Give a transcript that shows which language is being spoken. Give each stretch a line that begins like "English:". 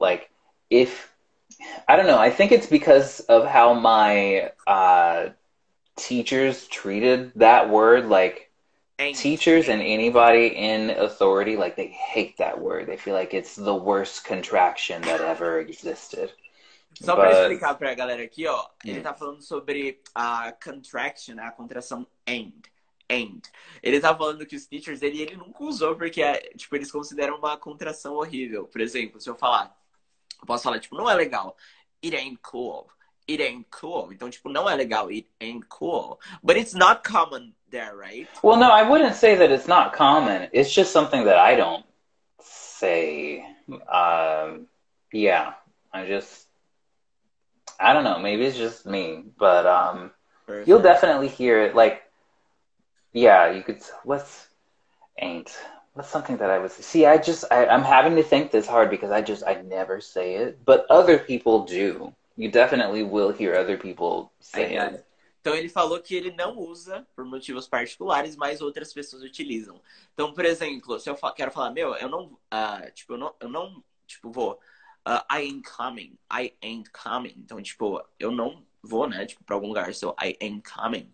English: Like, if, I don't know, I think it's because of how my teachers treated that word. Like, ain't. Teachers and anybody in authority, like, they hate that word. They feel like it's the worst contraction that ever existed.
Portuguese: Só pra explicar pra galera aqui, ó, ele tá falando sobre a contraction, a contração ain't. And. Ele tá falando que os teachers, ele nunca usou porque, tipo, eles consideram uma contração horrível. Por exemplo, se eu falar, eu posso falar, tipo, não é legal.
English: It ain't cool. It ain't cool.
Portuguese: Então, tipo, não é legal.
English: It ain't cool. But it's not common there, right? Well, no, I wouldn't say that it's not common. It's just something that I don't say. Yeah, I just, I don't know, maybe it's just me. But perfect. You'll definitely hear it, like, yeah, you could, what's, ain't, what's something that I would, see, I just, I'm having to think this hard because I never say it, but other people do. You definitely will hear other people say it.
Portuguese: Então, ele falou que ele não usa por motivos particulares, mas outras pessoas utilizam. Então, por exemplo, se eu quero falar, meu, eu não, tipo, vou,
English: I ain't coming, I ain't coming.
Portuguese: Então, tipo, eu não, vou, né? Tipo, pra algum lugar.
English: So, I am coming.